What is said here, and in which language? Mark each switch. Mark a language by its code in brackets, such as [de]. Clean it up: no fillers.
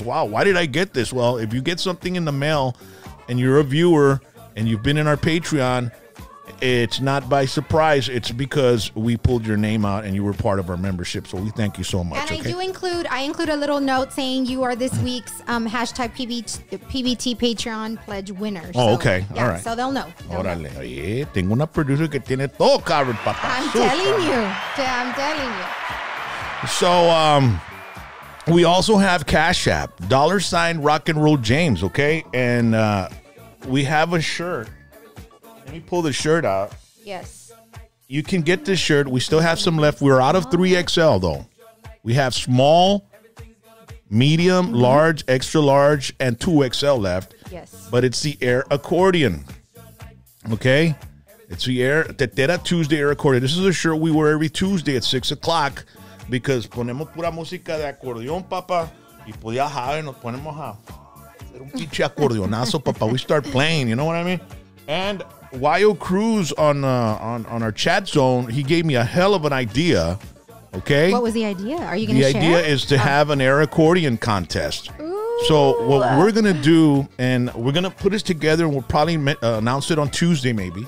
[en] Wow, why did I get this? Well, if you get something in the mail and you're a viewer and you've been in our Patreon, it's not by surprise. It's because we pulled your name out and you were part of our membership. So we thank you so much. And okay? I include a little note saying you are this week's hashtag PBT Patreon pledge winner. Oh, so, okay. Yeah, all right. So they'll know. [es] Órale. Oye, tengo una producer que tiene todo [en] covered, [es] papá. [en] I'm telling you. So we also have Cash App, $ Rock and Roll James, okay? And we have a shirt. Let me pull the shirt out. Yes. You can get this shirt. We still have some left. We're out of 3XL, though. We have small, medium, large, extra large, and 2XL left. Yes. But it's the Air Accordion. Okay? It's the Air Tetera Tuesday Air Accordion. This is a shirt we wear every Tuesday at 6 o'clock because [es] ponemos pura música de acordeón, papa. Y podía Javi, nos ponemos a hacer un pinche acordeonazo, papa. [en] We start playing, you know what I mean? And Wyo Cruz on our chat zone, he gave me a hell of an idea, okay? What was the idea? Are you going to share? The idea is to have an air accordion contest. Ooh. So what we're going to do, and we're going to put this together, and we'll probably announce it on Tuesday, maybe.